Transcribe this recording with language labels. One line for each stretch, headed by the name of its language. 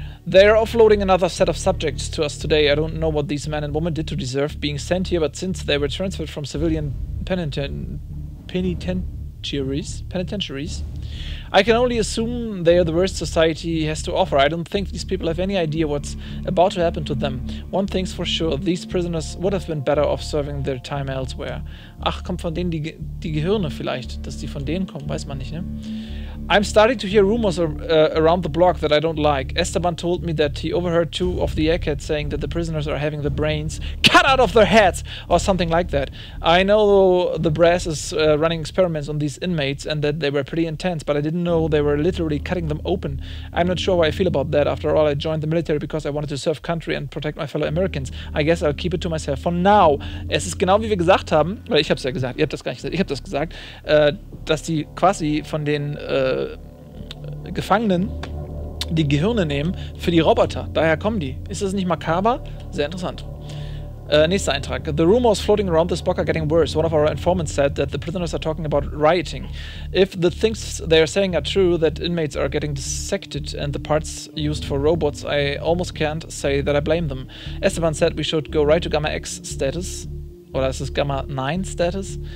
English: They are offloading another set of subjects to us today. I don't know what these men and women did to deserve being sent here, but since they were transferred from civilian penitentiaries, I can only assume they are the worst society has to offer. I don't think these people have any idea what's about to happen to them. One thing's for sure, these prisoners would have been better off serving their time elsewhere.
German: Ach, kommt von denen die Gehirne vielleicht, dass die von denen kommen, weiß man nicht, ne?
English: I'm starting to hear rumors around the block that I don't like. Esteban told me that he overheard two of the eggheads saying that the prisoners are having the brains cut out of their heads or something like that. I know the brass is running experiments on these inmates and that they were pretty intense, but I didn't know they were literally cutting them open. I'm not sure how I feel about that. After all, I joined the military because I wanted to serve country and protect my fellow Americans. I guess I'll keep it to myself for now.
German: Es ist genau wie wir gesagt haben, weil ich hab's ja gesagt, ihr habt das gar nicht gesagt, ich hab das gesagt, dass die quasi von den Gefangenen die Gehirne nehmen für die Roboter. Daher kommen die. Ist das nicht makaber? Sehr interessant. Nächster Eintrag.
English: The rumors floating around this block are getting worse. One of our informants said that the prisoners are talking about rioting. If the things they are saying are true, that inmates are getting dissected and the parts used for robots, I almost can't say that I blame them. Esteban said we should go right to Gamma X status. Oder ist es Gamma 9 Status?